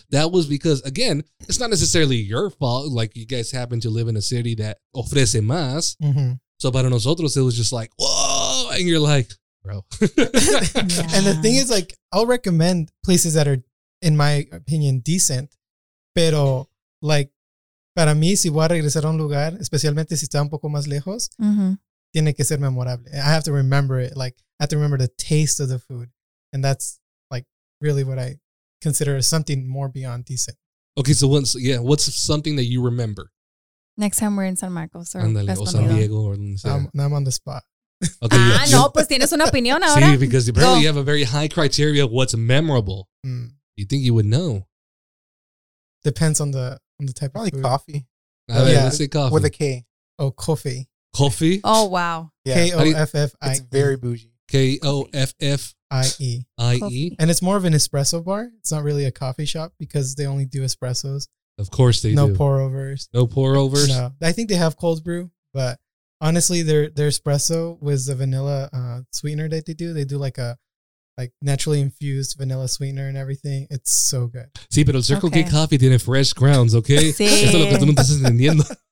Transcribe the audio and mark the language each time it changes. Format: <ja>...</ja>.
<en>That was because, again, it's not necessarily your fault. Like, you guys happen to live in a city that</en> <es>ofrece más.</es> <en>Mm-hmm. So,</en> <es>para nosotros,</es> <en>it was just like, whoa! And you're like, bro. Yeah. And the thing is, like, I'll recommend places that are, in my opinion, decent.</en> <es>Pero, like, para mí, si voy a regresar a un lugar, especialmente si está un poco más lejos, mm-hmm. tiene que ser memorable.</es> <en>I have to remember it. Like, I have to remember the taste of the food. And that's, like, really what I consider something more beyond decent. Okay, so what's something that you remember? Next time we're in San Marcos or,</en> <es>Andale, o San Diego or donde sea.</es> <en>Now I'm on the spot.</en> <es>Okay, ah, yeah. No, pues tienes una opinión ahora.</es> <en>See, because apparently you have a very high criteria of what's memorable. Mm. You think you would know. Depends on the type probably of food. Coffee. Right, yeah. Let's say coffee. With a K. Oh, coffee. Coffee? Oh, wow. Yeah. K-O-F-F-I-E. It's very bougie. K-O-F-F-I-E. I-E. And it's more of an espresso bar. It's not really a coffee shop because they only do espressos. Of course they do. No pour overs. No pour overs. No. I think they have cold brew, but honestly, their espresso with the vanilla sweetener that they do. They do like a like naturally infused vanilla sweetener and everything. It's so good.</en> <es>Sí, pero el Circle okay. K coffee tiene</es> <en>fresh grounds,</en> <es>okay? Sí. Eso es lo que tú no estás entendiendo.</es>